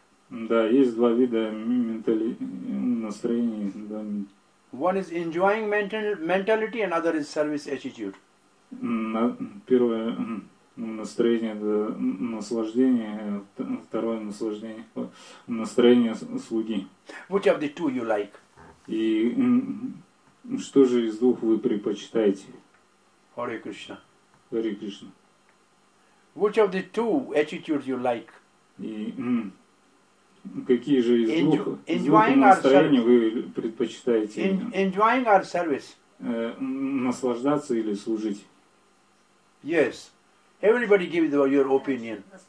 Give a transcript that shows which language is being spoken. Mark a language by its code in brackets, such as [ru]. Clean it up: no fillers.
[ru] Да, есть два вида настроений. Да. [en] One is enjoying mentality, another is service attitude. [ru] Первое настроение – это наслаждение, второе наслаждение – настроение слуги. [en] Which of the two you like? [ru] И что же из двух вы предпочитаете? [sa] Hare Krishna. Hare Krishna. [en] Which of the two attitudes you like? [ru] И какие же из двух настроений вы предпочитаете? [en] Enjoying our service. [ru] Наслаждаться или служить? [en] Yes. Everybody give your opinion.